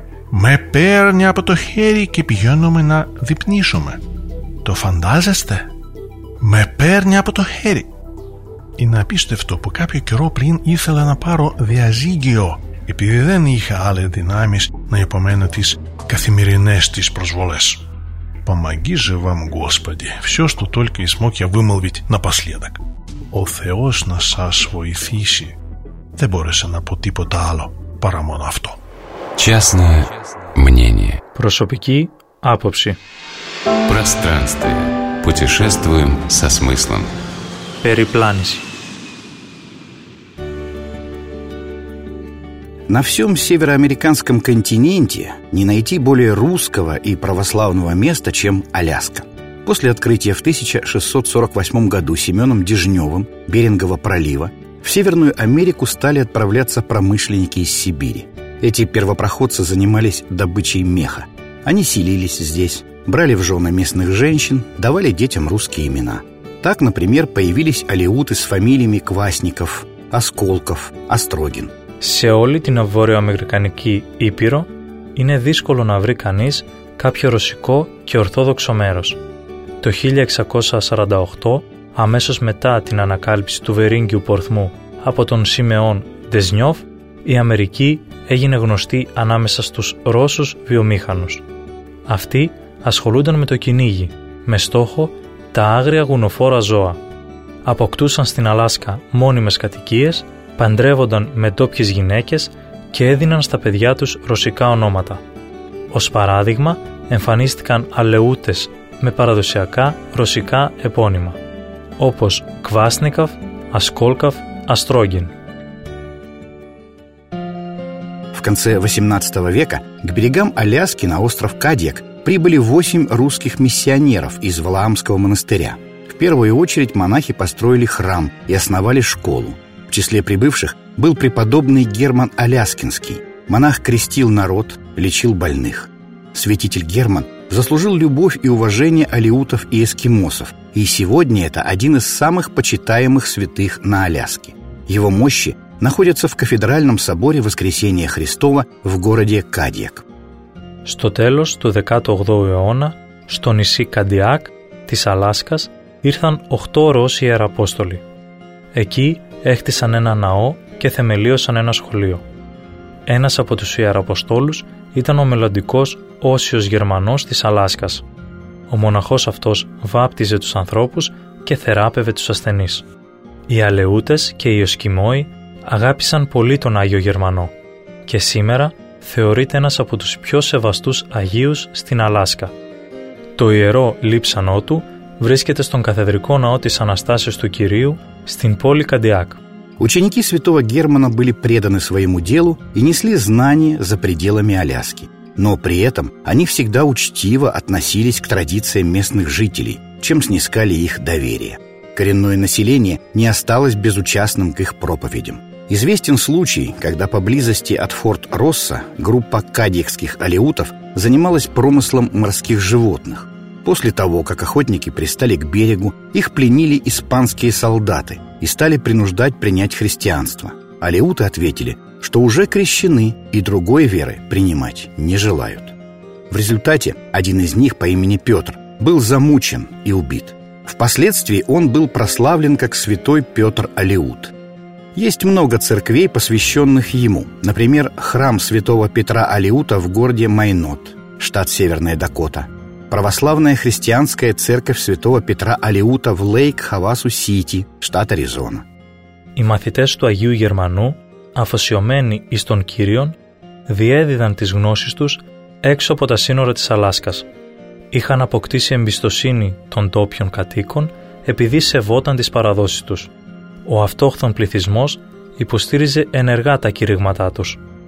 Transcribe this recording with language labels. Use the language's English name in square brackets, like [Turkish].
[Greek] Με παίρνει από το χέρι και πηγαίνουμε να δειπνίσουμε. Το φαντάζεστε? Με παίρνει από το χέρι. Είναι απίστευτο που κάποιο καιρό πριν ήθελα να πάρω διαζύγιο, επειδή δεν είχα άλλες δυνάμεις να υπομένω τις καθημερινές της προσβολές. [Russian] «Помоги же вам, Господи, все, что только и смог я вымолвить напоследок». [Greek] «Ο Θεός να σας βοηθήσει». Δεν μπόρεσα να πω τίποτα άλλο παρά μόνο αυτό. [Russian] Частное мнение. [Greek] Προσωπική άποψη. [Russian] Пространство. Путешествуем со смыслом. Перепланиси. На всем североамериканском континенте не найти более русского и православного места, чем Аляска. После открытия в 1648 году Семеном Дежневым Берингова пролива в Северную Америку стали отправляться промышленники из Сибири. Эти первопроходцы занимались добычей меха. Они селились здесь, брали в жены местных женщин, давали детям русские имена. Так, например, появились алеуты с фамилиями Квасников, Осколков, Острогин. [Greek] Σε όλη την Βορειοαμερικανική Ήπειρο είναι δύσκολο να βρει κανείς κάποιο ρωσικό και ορθόδοξο μέρος. Το 1648, αμέσως μετά την ανακάλυψη του Βερίγγιου πορθμού από τον Σιμεών Δεζνιόφ, η Αμερική έγινε γνωστή ανάμεσα στους Ρώσους βιομήχανους. Αυτοί ασχολούνταν με το κυνήγι, με στόχο τα άγρια γουνοφόρα ζώα. Αποκτούσαν στην Αλάσκα μόνιμες κατοικίες, παντρεύονταν με ντόπιες γυναίκες και έδιναν στα παιδιά τους ρωσικά ονόματα. Ως παράδειγμα, εμφανίστηκαν αλεούτες με παραδοσιακά ρωσικά επώνυμα, όπως Κβάσνικαφ, Ασκόλκαφ, Αστρόγγιν. [Russian] В конце 18 века к берегам Аляски на остров Кадьяк прибыли 8 русских миссионеров из Валаамского монастыря. В первую очередь монахи построили храм и основали школу. В числе прибывших был преподобный Герман Аляскинский. Монах крестил народ, лечил больных. Святитель Герман заслужил любовь и уважение алеутов и эскимосов, и сегодня это один из самых почитаемых святых на Аляске. Его мощи находятся в кафедральном соборе Воскресения Христова в городе Кадьяк. [Greek] Στο τέλος του 18ου αιώνα, στο νησί Κάντιακ της Αλάσκας, ήρθαν 8 Ρώσοι Ιεραπόστολοι. Εκεί έχτισαν ένα ναό και θεμελίωσαν ένα σχολείο. Ένας από τους Ιεραποστόλους ήταν ο μελλοντικός Όσιος Γερμανός της Αλάσκας. Ο μοναχός αυτός βάπτιζε τους ανθρώπους και θεράπευε τους ασθενείς. Οι Αλεούτες και οι Εσκιμώοι αγάπησαν πολύ τον Άγιο Γερμανό και σήμερα θεωρείται ένας από τους πιο σεβαστούς Αγίους στην Αλάσκα. Το ιερό λείψανό του βρίσκεται στον καθεδρικό ναό της Αναστάσεως του Κυρίου στην πόλη Κάντιακ. [Russian] Ученики святого Германа были преданы своему делу и несли знания за пределами Аляски. Но при этом они всегда учтиво относились к традициям местных жителей, чем снискали их доверие. Коренное население не осталось безучастным к их проповедям. Известен случай, когда поблизости от форт Росса группа кадьякских алеутов занималась промыслом морских животных. После того, как охотники пристали к берегу, их пленили испанские солдаты и стали принуждать принять христианство. Алеуты ответили, что уже крещены и другой веры принимать не желают. В результате один из них по имени Петр был замучен и убит. Впоследствии он был прославлен как святой Петр Алеут. Есть много церквей, посвященных ему. Например, храм святого Петра Алеута в городе Майнот, штат Северная Дакота. Православная христианская церковь святого Петра Алеута в Лейк-Хавасу-Сити, штат Аризона. [Greek] Οι μαθητές του Αγίου Γερμανού, αφοσιωμένοι εις τον Κύριον, διέδιδαν τις γνώσεις τους έξω από τα σύνορα της Αλάσκας. Είχαν αποκτήσει εμπιστοσύνη των τόπιων κατοίκων επειδή σεβόταν τις παραδόσεις τους. Ο αυτόχθον πληθυσμός υποστήριζε ενεργά τα κηρύγματά τους.